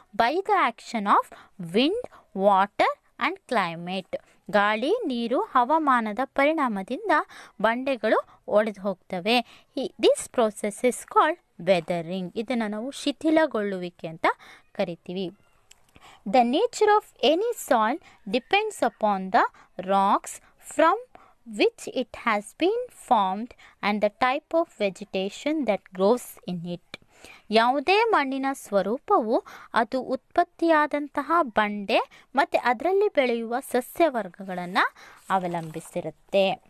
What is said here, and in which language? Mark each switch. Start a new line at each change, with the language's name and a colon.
English: by the action of wind, water and climate,
Kannada: ಗಾಳಿ, ನೀರು, ಹವಾಮಾನದ ಪರಿಣಾಮದಿಂದ ಬಂಡೆಗಳು ಒಡೆದು ಹೋಗ್ತವೆ.
English: This process is called weathering.
Kannada: ಇದನ್ನು ನಾವು ಶಿಥಿಲಗೊಳ್ಳುವಿಕೆ ಅಂತ ಕರಿತೀವಿ.
English: The nature of any soil depends upon the rocks from which it has been formed and the type of vegetation that grows in it.
Kannada: ಯಾವುದೇ ಮಣ್ಣಿನ ಸ್ವರೂಪವು ಅದು ಉತ್ಪತ್ತಿಯಾದಂತಹ ಬಂಡೆ ಮತ್ತು ಅದರಲ್ಲಿ ಬೆಳೆಯುವ ಸಸ್ಯವರ್ಗಗಳನ್ನು ಅವಲಂಬಿಸಿರುತ್ತೆ.